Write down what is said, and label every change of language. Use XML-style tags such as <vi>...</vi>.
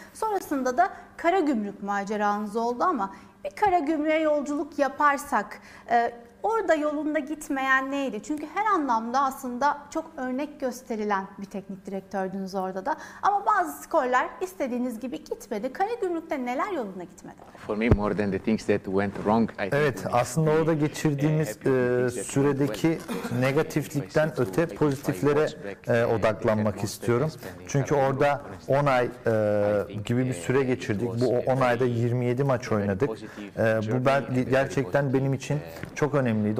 <tr>Sonrasında da Karagümrük maceranız oldu ama bir Karagümrük'e yolculuk yaparsak orada yolunda gitmeyen neydi? Çünkü her anlamda aslında çok örnek gösterilen bir teknik direktördünüz orada da. Ama bazı skorlar istediğiniz gibi gitmedi. Karagümrük'te neler yolunda gitmedi?</tr> <en>For me more than the things that went wrong.</en> <tr>Evet, aslında orada geçirdiğimiz süredeki negatiflikten öte pozitiflere odaklanmak istiyorum. Çünkü orada 10 ay gibi bir süre geçirdik. Bu 10 ayda 27 maç oynadık. Bu gerçekten benim için çok önemliydi.</tr>